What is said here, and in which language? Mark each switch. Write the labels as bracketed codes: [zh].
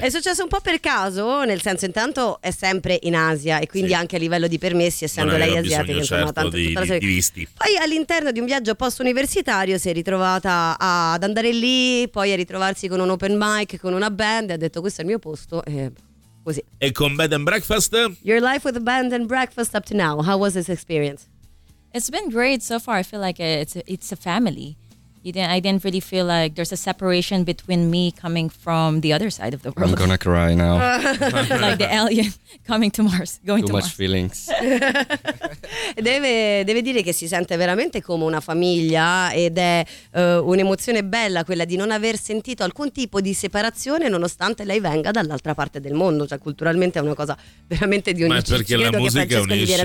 [it] È successo un po' per caso, nel senso intanto è sempre in Asia e quindi anche a livello di permessi, essendo lei asiatica, insomma, tanto di visti. Poi all'interno di un viaggio post universitario si è ritrovata ad andare lì, poi a ritrovarsi con un open mic, con una band, e ha detto questo è il mio posto. Così. E con Bed and Breakfast? [en] Your life with Bed and Breakfast up to now, how was this experience? It's been great so far. I feel like it's a family. I didn't really feel like there's a separation between me coming from the other side of the world. I'm gonna cry now. Like the alien coming to Mars, going too to much Mars. Feelings. [it] deve dire che si sente veramente come una famiglia ed è un'emozione bella quella di non aver sentito alcun tipo di separazione nonostante lei venga dall'altra parte del mondo. Cioè culturalmente è una cosa veramente di unicità. Ma perché la musica unisce,